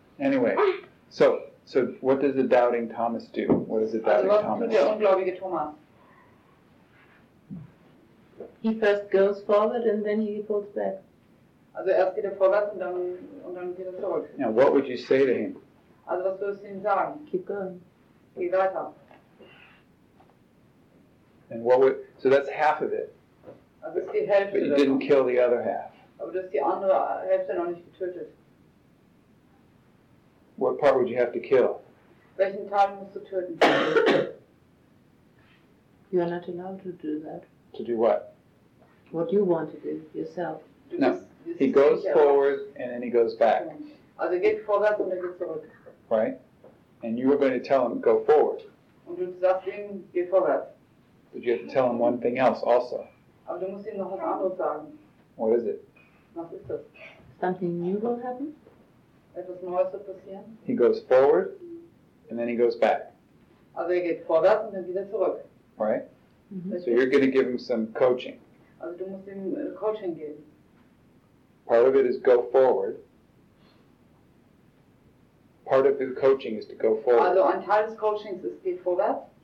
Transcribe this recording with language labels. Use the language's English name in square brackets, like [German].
[English] Anyway, so what does the doubting Thomas do? What does the doubting Thomas do? [German] Also was tut der ungläubige Thomas? [English] He first goes forward and then he pulls back. [German] Also erst geht vorwärts und dann geht zurück. [English] Now what would you say to him? [German] Also was würdest du ihm sagen? [English] Keep going. [German] Geh weiter. [English] And what would, so that's half of it. [German] Also ist die Hälfte. [English] But you didn't kill the other half. [German] Aber du hast die andere Hälfte noch nicht getötet. [English] What part would you have to kill? [German] Welchen Teil musst du töten? [English] You are not allowed to do that. To do what? What you want to do yourself. No. He goes forward and then he goes back. [German] Also geht vorwärts und dann geht zurück. [English] Right? And you were going to tell him, go forward. [German] Und du sagst ihm, geh vorwärts. [English] But you have to tell him one thing else also. [German] Aber du musst ihm noch was anderes sagen. [English] What is it? [German] Was ist das? [English] Something new will happen? [German] Etwas Neues wird passieren? [English] He goes forward, and then he goes back. [German] Also geht vorwärts und dann wieder zurück. [English] Right? Mm-hmm. So you're going to give him some coaching. [German] Also du musst ihm Coaching geben. [English] Part of it is go forward. Part of the coaching is to go forward. [German] Also ein Teil des Coachings ist, geht vorwärts.